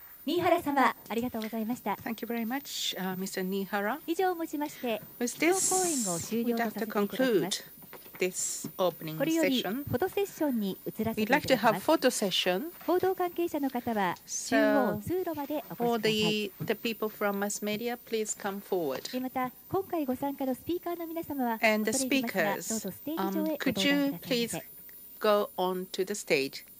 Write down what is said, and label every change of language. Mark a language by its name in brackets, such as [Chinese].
[Japanese] 新原様、ありがとうございました。 [English] Thank you very much, Mr. Niihara. [Japanese] 以上をもちまして、今日講演を終了とさせていただきます。 [English] This opening session. [Japanese] フォトセッションに移らせていただきます。 [English] We'd like to have photo session. [Japanese] 報道関係者の方は中央通路までお越しください。 [English] For the people from mass media, please come forward. [Japanese] また今回ご参加のスピーカーの皆様は、 [English] And the speakers, could you please go on to the stage?